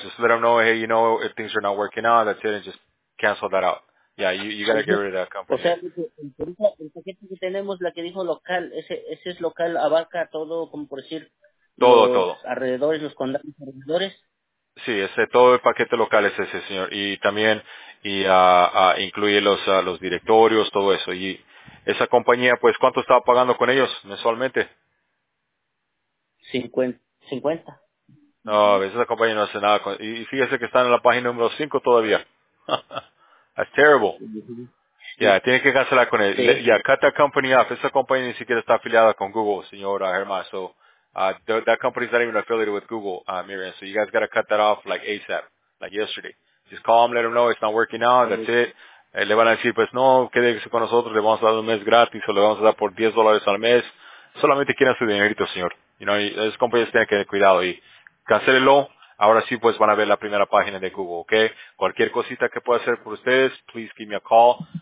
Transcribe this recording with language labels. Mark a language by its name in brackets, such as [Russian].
[English] Just let them know, hey, you know, if things are not working out, that's it, and just cancel that out. Yeah, you got to get rid of that company. [Spanish] O sea, el paquete que tenemos, la que dijo local, ese es local, abarca todo, como por decir... Todo. Alrededores, los condados alrededores. Sí, ese todo el paquete local es ese, señor. Y también incluye los directorios, todo eso. Y esa compañía, pues, ¿cuánto estaba pagando con ellos mensualmente? 50. No, esa compañía no hace nada. Y fíjese que están en la página número 5 todavía. [English] That's terrible. [Spanish] Ya, yeah, tiene que cancelar con él. Sí. Ya, [English] cut that company off. [Spanish] Esa compañía ni siquiera está afiliada con Google, señora Germán. [English] So, that company's not even affiliated with Google, Miriam. So, you guys got to cut that off, like, ASAP, like yesterday. Just call them, let them know it's not working out. That's it. [Spanish] Le van a decir, pues, no, quédese con nosotros. Le vamos a dar un mes gratis o le vamos a dar por $10 al mes. Solamente quieren su dinerito, señor. [English] You know, [Spanish] esas compañías tienen que tener cuidado y cancélelo. Ahora sí, pues, van a ver la primera página de Google, ¿ok? Cualquier cosita que pueda hacer por ustedes, [English] please give me a call.